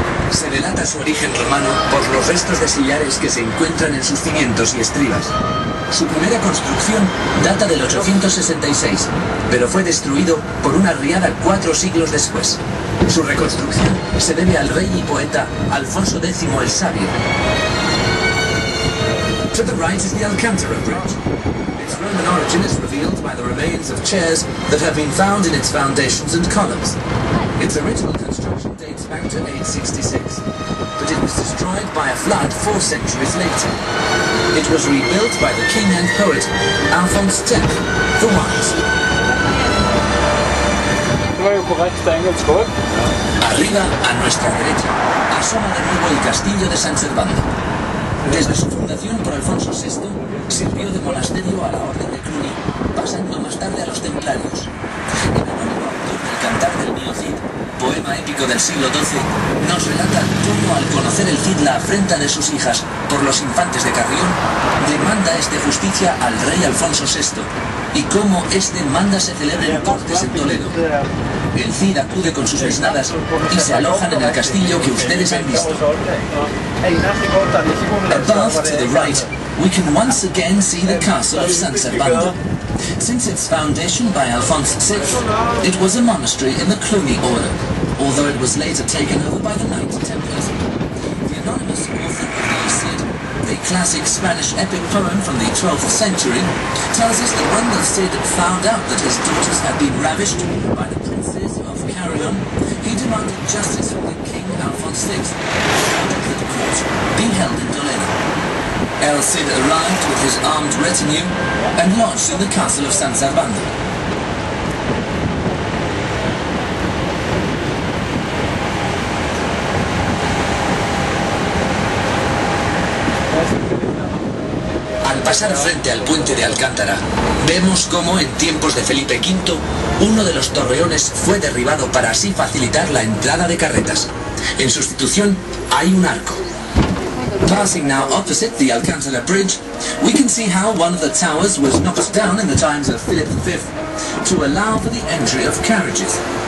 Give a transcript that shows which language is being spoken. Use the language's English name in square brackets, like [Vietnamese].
[Spanish] Se relata su origen romano por los restos de sillares que se encuentran en sus cimientos y estribas. Su primera construcción data del 866, pero fue destruido por una riada 4 siglos después. Su reconstrucción se debe al rey y poeta Alfonso X el Sabio. [English] To the right is the Alcantara Bridge. Its Roman origin is revealed by the remains of chairs that have been found in its foundations and columns. Its original construction dates back to 866, but it was destroyed by a flood 4 centuries later. It was rebuilt by the king and poet, Alphonse X, the Wise. [Spanish] Arriba, a nuestra derecha, asoma de nuevo el castillo de San Servando. Desde su fundación por Alfonso VI, sirvió de monasterio a la orden de Cluny, pasando más tarde a los templarios. El anónimo autor del Cantar del Mio Cid, poema épico del siglo XII, nos relata cómo al conocer el Cid la afrenta de sus hijas por los infantes de Carrión, demanda este justicia al rey Alfonso VI, y cómo este manda se celebre en Cortes en Toledo. El Cid acude con sus mesnadas y se alojan en el castillo que ustedes han visto. [English] Above, to the right, we can once again see the castle of San Servando. Since its foundation by Alphonse VI, it was a monastery in the Cluny order, although it was later taken over by the Knights Templars. The anonymous author of the Cid, the classic Spanish epic poem from the 12th century, tells us that when the Cid found out that his daughters had been ravished by the princes of Carrion, he demanded justice from the king Alphonse VI, and that the court be held in Toledo. El Cid arrived with his armed retinue and lodged in the castle of San Servando. [Spanish] Al pasar frente al puente de Alcántara, vemos cómo en tiempos de Felipe V, uno de los torreones fue derribado para así facilitar la entrada de carretas. En sustitución, hay un arco. [English] Passing now opposite the Alcantara Bridge, we can see how one of the towers was knocked down in the times of Philip V to allow for the entry of carriages.